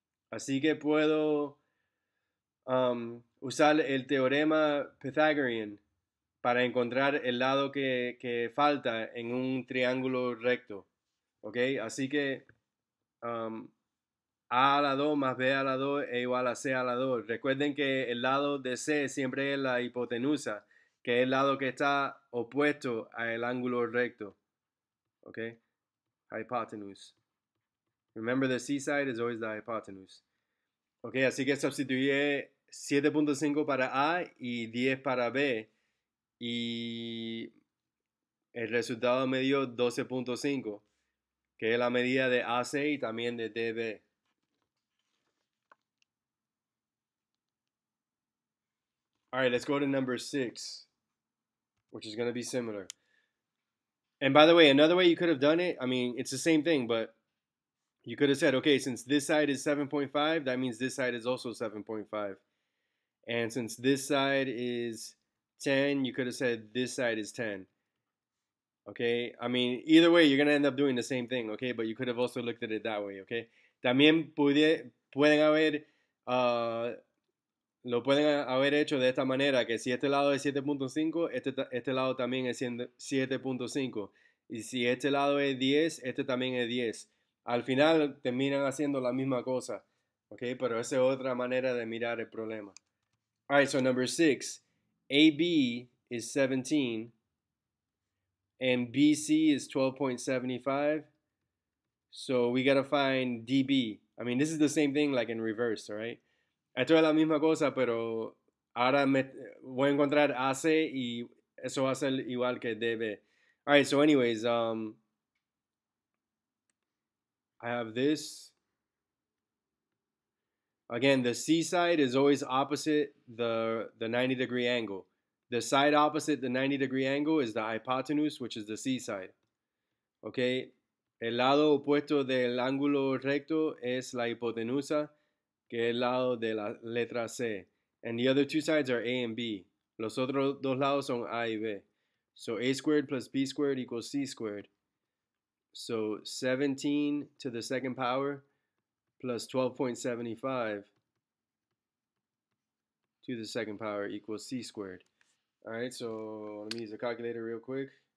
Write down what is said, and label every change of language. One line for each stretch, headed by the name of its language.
Spanish: Así que puedo usar el teorema Pythagorean para encontrar el lado que falta en un triángulo recto. Okay? Así que A a la 2 más B a la 2 es igual a C a la 2. Recuerden que el lado de C siempre es la hipotenusa, que es el lado que está opuesto al ángulo recto.
English: Okay? Hypotenuse. Remember, the C side is always the hypotenuse.
Spanish: Okay, así que sustituye 7.5 para A y 10 para B. Y el resultado me dio 12.5, que es la medida de AC y también de DB.
English: All right, let's go to number 6, which is going to be similar. And by the way, another way you could have done it, I mean, it's the same thing, but you could have said, okay, since this side is 7.5, that means this side is also 7.5. And since this side is 10, you could have said this side is 10. Okay, I mean, either way, you're going to end up doing the same thing, okay? But you could have also looked at it that way, okay?
Spanish: También pueden haber... lo pueden haber hecho de esta manera, que si este lado es 7.5, este lado también es 7.5. Y si este lado es 10, este también es 10. Al final terminan haciendo la misma cosa, okay? Pero esa es otra manera de mirar el problema.
English: All right, so number 6. AB is 17 and BC is 12.75. So we got to find DB. I mean, this is the same thing like in reverse, all right?
Spanish: Esto es la misma cosa, pero ahora voy a encontrar AC y eso va a ser igual que DB.
English: All right, so anyways, I have this. Again, the C side is always opposite the 90-degree angle. The side opposite the 90-degree angle is the hypotenuse, which is the C side.
Spanish: Okay, el lado opuesto del ángulo recto es la hipotenusa, que es el lado de la letra C.
English: And the other two sides are A and B.
Spanish: Los otros dos lados son A y B.
English: So A squared plus B squared equals C squared. So 17 to the second power plus 12.75 to the second power equals C squared. All right, so let me use the calculator real quick.